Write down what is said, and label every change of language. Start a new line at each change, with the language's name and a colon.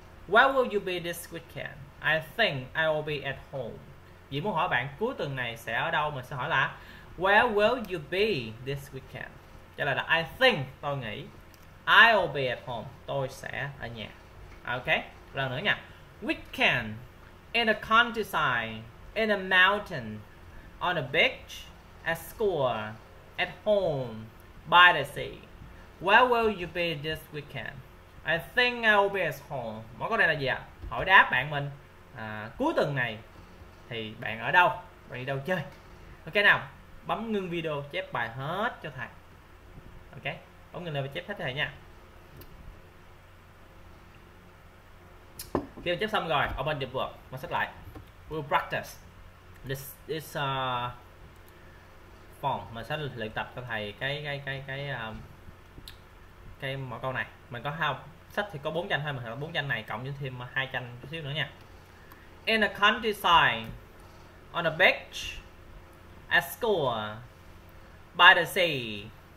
English: Where will you be this weekend? I think I'll be at home.
Vietnamese: Vậy muốn hỏi bạn cuối tuần này sẽ ở đâu, mình sẽ hỏi là
English: where will you be this weekend?
Vietnamese: Trả lời là
English: I think,
Vietnamese: tôi nghĩ.
English: I'll be at home,
Vietnamese: tôi sẽ ở nhà. Ok, lần nữa nha.
English: Weekend, in the countryside, in a mountain, on a beach, at school, at home, by the sea. Where will you be this weekend? I think I'll be at home.
Vietnamese: Mỗi câu này là gì ạ? Hỏi đáp bạn mình à, cuối tuần này thì bạn ở đâu? Bạn đi đâu chơi? Ok nào, bấm ngưng video, chép bài hết cho thầy. Ok, bấm ngưng video chép hết cho thầy nha. Khi chép xong rồi,
English: open the book,
Vietnamese: mở sách lại.
English: We'll practice this form.
Vietnamese: Mình sẽ luyện tập cho thầy cái mỗi câu này. Mình có học sách thì có 4 tranh thôi, mình học 4 tranh này cộng với thêm 2 tranh chút xíu nữa nha.
English: In the countryside, on a beach, at school, by the sea.